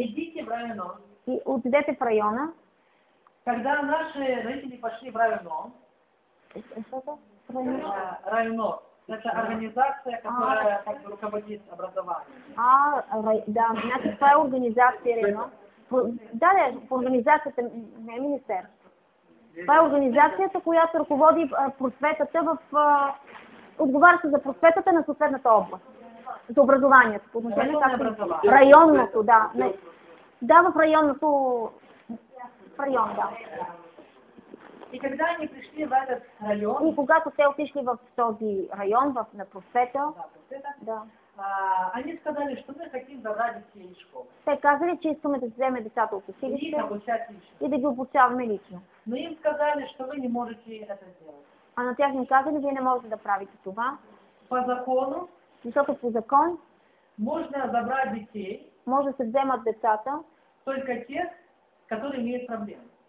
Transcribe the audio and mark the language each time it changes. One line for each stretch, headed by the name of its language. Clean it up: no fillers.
Russian: Идите в районо.
Bulgarian: И отидете в района.
Russian: Когда наши родители пошли в районо. Что это? Районо. Это организация, которая как бы руководит образованием. А, да, значит, по организации, да?
Bulgarian: Да, да, организацията не е министерство. Това е организацията, която ръководи просветата в... отговаря се за просветата на съответната област. За образованието. По отношение на образование. Районното, да. Не, да, в районното... В район, да.
Russian: И когда они пришли в этот район...
Bulgarian: И когато те отишли в този район, в, на просвета... Да.
Russian: Они сказали, что мы хотим забрать детей из школы.
Bulgarian: Те казали, че искаме да вземе децата от училище и да ги обучаваме лично.
Russian: Но им сказали, что вы не можете это сделать.
Bulgarian: А на тях им казали, вие не можете да правите това.
Russian: По закону.
Bulgarian: Защото по закон.
Russian: Можно забрать детей.
Bulgarian: Може да се вземат децата.
Russian: Только тех, которые имеют проблемы.